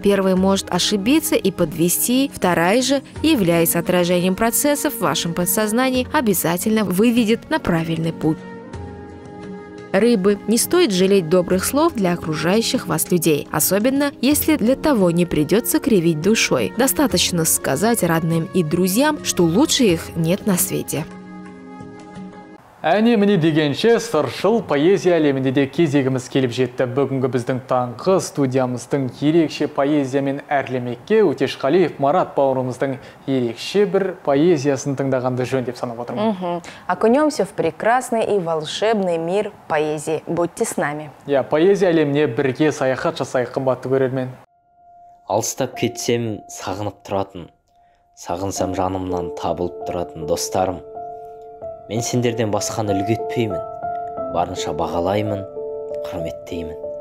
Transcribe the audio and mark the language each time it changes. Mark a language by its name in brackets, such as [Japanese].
[Russian] Первый может ошибиться и подвести, вторая же, являясь отражением процессов в вашем подсознании, обязательно выведет на правильный путь. Рыбы. Не стоит жалеть добрых слов для окружающих вас людей, особенно если для того не придется кривить душой. Достаточно сказать родным и друзьям, что лучше их нет на свете. [Kazakh] Әне мені дегенше сыршыл поэзия әлемінде де кезегіміз келіп жетті. Бүгінгі біздің таңғы студиямыздың ерекше поэзиямен әрлемекке Өтешқалиев Марат бауырымыздың ерекше бір поэзиясын тыңдағанды жөн деп санап отырмын. [Russian] Окунемся в прекрасный и волшебный мир поэзии. Будьте с нами. [Kazakh] Поэзия әлеміне бірге саяхат жасайық, қымбатты көрермен. Алыстап кетсем сағынып тұратын, сағынсам жанымнан табылып тұратын достарым. Мен сендерден басқаны үлгі етпеймін, барынша бағалаймын, құрметтеймін.